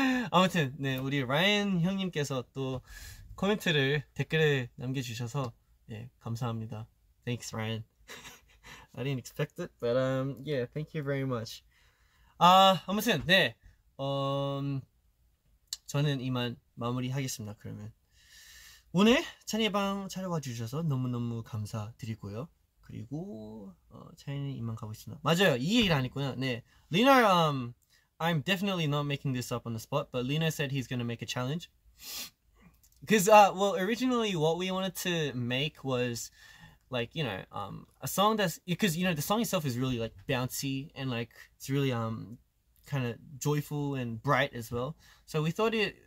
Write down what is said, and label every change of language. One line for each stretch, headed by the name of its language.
Korean: 아무튼 네, 우리 라이언 형님께서 또 코멘트를 댓글에 남겨주셔서 예 감사합니다.
English: Thanks, Ryan. I didn't expect it, but yeah, thank you very much.
Korean: 아 아무튼 네 저는 이만 마무리하겠습니다. 그러면 오늘 찬이의 방 찾아와 주셔서 너무 너무 감사드리고요. 그리고 찬이는 이만 가고 있습니다. 맞아요, 이 얘기를 안 했구나.
English: 네, Lina, I'm definitely not making this up on the spot, but Lina said he's gonna make a challenge. Because, well, originally what we wanted to make was, like, you know, a song that's... Because, you know, the song itself is really, like, bouncy and, like, it's really kind of joyful and bright as well. So we thought it...